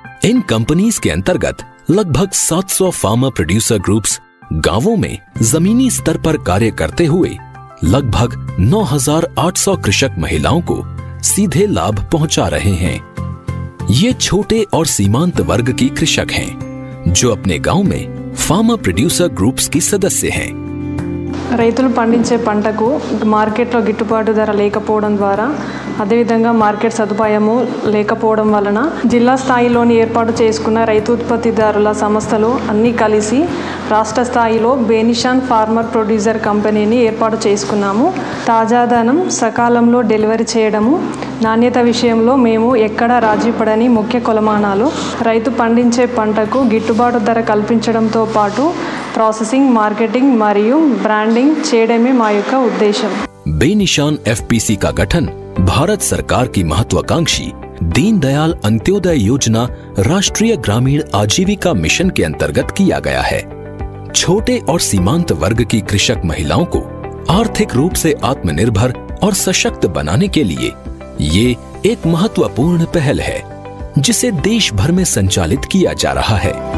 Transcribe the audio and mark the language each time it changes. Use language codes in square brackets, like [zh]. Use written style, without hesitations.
[hi] इन companies के अंतर्गत लगभग 700 फार्मा प्रोड्यूसर ग्रुप्स गांवों में जमीनी स्तर पर कार्य करते हुए लगभग 9,800 कृषक महिलाओं को सीधे लाभ पहुंचा रहे हैं। ये छोटे और सीमांत वर्ग की कृषक हैं, जो अपने गांव में फार्मा प्रोड्यूसर ग्रुप्स की सदस्य हैं। [te] రైతులు పండించే పంటకు మార్కెట్లో గిట్టుబాటు ధర లేకపోవడం ద్వారా, అదేవిధంగా మార్కెట్ సదుపాయము లేకపోవడం వలన జిల్లా స్థాయిలోని ఏర్పాటు చేసుకున్న రైతు ఉత్పత్తిదారుల సంస్థలు అన్నీ కలిసి రాష్ట్ర స్థాయిలో బేనిషాన్ ఫార్మర్ ప్రొడ్యూసర్ కంపెనీని ఏర్పాటు చేసుకున్నాము. తాజాధనం సకాలంలో డెలివరీ చేయడము, నాణ్యత విషయంలో మేము ఎక్కడా రాజీపడని ముఖ్య కొలమానాలు. రైతు పండించే పంటకు గిట్టుబాటు ధర కల్పించడంతో పాటు ప్రాసెసింగ్, మార్కెటింగ్ మరియు బ్రాండింగ్ చేయడమే మా యొక్క ఉద్దేశం. [hi] బేనిషాన్ ఎఫ్పిసి కా గఠన్ భారత్ సర్కార్ కి మహత్వాకాంక్షి దీన్ దయాల్ అంత్యోదయ యోజన రాష్ట్రీయ గ్రామీణ ఆజీవికా మిషన్ కి అంతర్గత కియా గయా హై. छोटे और सीमांत वर्ग की कृषक महिलाओं को आर्थिक रूप से आत्मनिर्भर और सशक्त बनाने के लिए ये एक महत्वपूर्ण पहल है, जिसे देश भर में संचालित किया जा रहा है।